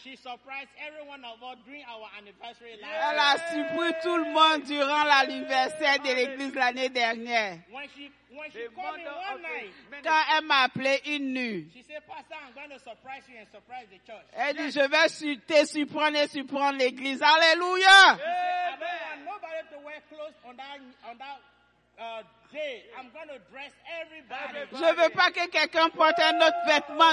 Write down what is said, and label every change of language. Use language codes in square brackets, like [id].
[en] She surprised everyone of us during our anniversary last year. [fr] Elle a surpris tout le monde durant l'anniversaire de l'église l'année dernière. [en] When she called me one night. [fr] Quand elle m'a appelé une nuit. [en] She said, Pastor, I'm going to surprise you and surprise the church. [fr] Elle dit, je vais te surprendre et surprendre l'église. Alléluia. [en] She said, I don't want nobody to wear clothes on that. I'm going to dress everybody. [fr] Je veux pas que quelqu'un porte un autre vêtement.